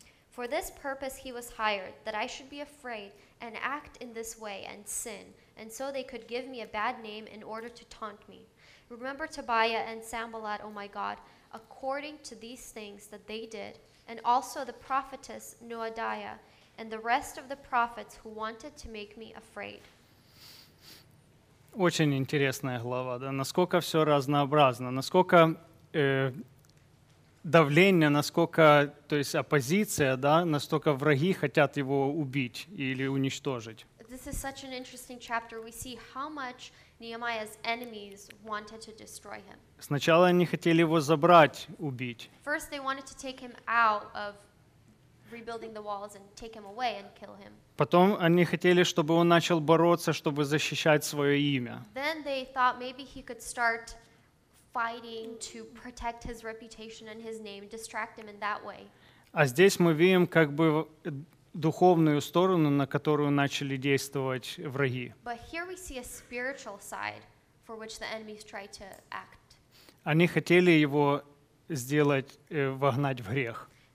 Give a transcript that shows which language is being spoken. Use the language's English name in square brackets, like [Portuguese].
[English] For this purpose he was hired, that I should be afraid and act in this way and sin, and so they could give me a bad name in order to taunt me. Remember Tobiah and Sanballat, O my God, according to these things that they did, and also the prophetess Noadiah and the rest of the prophets who wanted to make me afraid. [Russian] Очень интересная глава, да? Насколько все разнообразно, насколько давление, насколько, то есть оппозиция, да, настолько враги хотят его убить или уничтожить. [English] This is such an interesting chapter. We see how much Nehemiah's enemies wanted to destroy him. [Russian] Сначала они хотели его забрать, убить. [English] First they wanted to take him out of rebuilding the walls and take him away and kill him. [Russian] Потом они хотели, чтобы он начал бороться, чтобы защищать свое имя. [English] Then they thought maybe he could start fighting to protect his reputation and his name, distract him in that way. [Russian] А здесь мы видим как бы духовную сторону, на которую начали действовать враги. [English] But here we see a spiritual side for which the enemies try to act. [Russian] Они хотели его сделать, вогнать в грех.